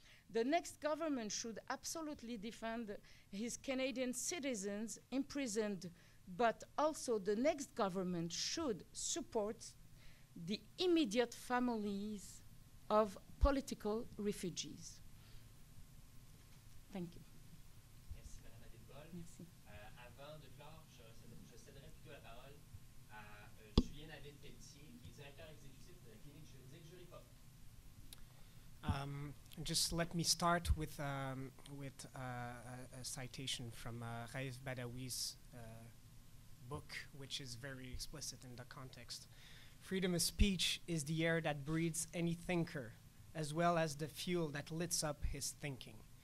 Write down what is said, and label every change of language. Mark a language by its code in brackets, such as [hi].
[en] The next government should absolutely defend his Canadian citizens imprisoned, but also the next government should support the immediate families of political refugees. Thank you. [fr] Merci, Madame Adelbol. Merci. Avant de clore, je céderai plutôt la parole à Julien David Pelletier, qui est directeur exécutif de la clinique juridique Juripop. [en] Just let me start with a citation from Raif Badawi's book, which is very explicit in the context. Freedom of speech is the air that breathes any thinker, as well as the fuel that lights up his thinking.